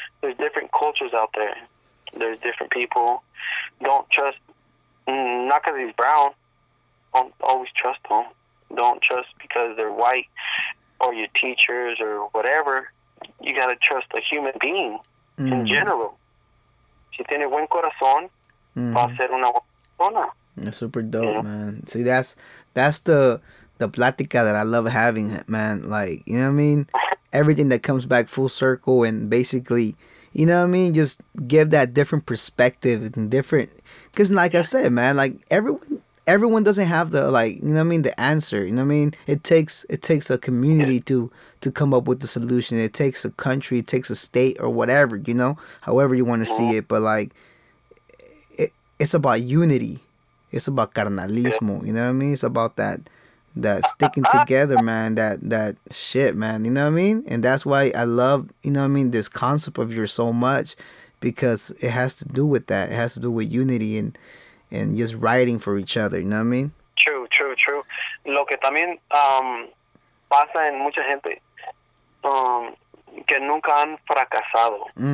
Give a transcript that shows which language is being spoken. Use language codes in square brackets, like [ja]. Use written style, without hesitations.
[en] There's different cultures out there. There's different people. Don't trust, not because he's brown, don't always trust them. Don't trust because they're white or your teachers or whatever. You got to trust a human being in general. [es] Si tiene buen corazón, va a ser una buena persona. [en] That's super dope, man. See, that's the plática that I love having, man. Like, you know what I mean? Everything that comes back full circle and basically, you know what I mean? Just give that different perspective and different. Because like I said, man, like everyone doesn't have the, like, you know what I mean, the answer. You know what I mean? It takes a community to come up with the solution. It takes a country. It takes a state or whatever, you know, however you want to see it. But like, it's about unity. It's about carnalismo, you know what I mean? It's about that sticking together, man, that shit, man, you know what I mean? And that's why I love, you know what I mean, this concept of yours so much, because it has to do with that. It has to do with unity and just writing for each other, you know what I mean? True. [es] Lo que también pasa en mucha gente que nunca han fracasado.